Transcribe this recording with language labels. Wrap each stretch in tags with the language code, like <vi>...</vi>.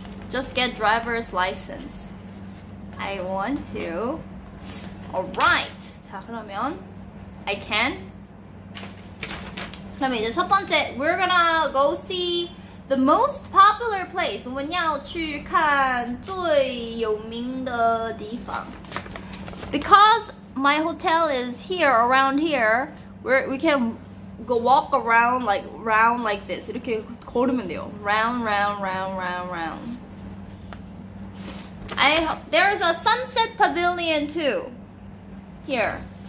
<en>Just get driver's license. I want to. Alright!</en> <ko>자, 그러면,</ko> <en>I can.</en> <ko>그럼이제첫번째,</ko> <en>we're gonna go see the most popular place.</en> <zh>我们要去看最有名的地方.</zh> <en>Because my hotel is here, around here, we can go walk around like, round like this.</en> <ko>이렇게걸으면돼요.</ko> <en>Round. There's a sunset pavilion too, here.</en>